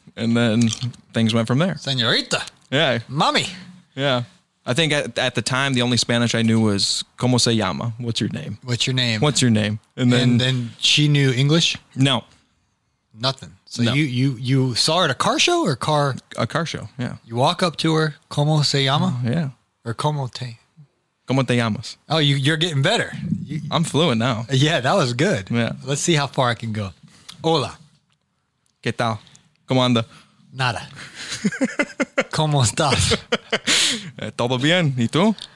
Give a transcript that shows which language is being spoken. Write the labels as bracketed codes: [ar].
[en] And then things went from there. [es] Señorita. [en] Yeah. Mommy. Yeah. I think at the time, the only Spanish I knew was, [es] ¿Cómo se llama? [en] What's your name? What's your name? What's your name? And then she knew English? No. Nothing. So no. You saw her at a car show or car? A car show, yeah. You walk up to her, [es] ¿Cómo se llama? [en] Yeah. Or [es] ¿Cómo te? ¿Cómo te llamas? [en] Oh, you're getting better. I'm fluent now. Yeah, that was good. Yeah. Let's see how far I can go. [es] Hola. ¿Qué tal? ¿Cómo anda? Nada. ¿Cómo estás? Todo bien. ¿Y tú?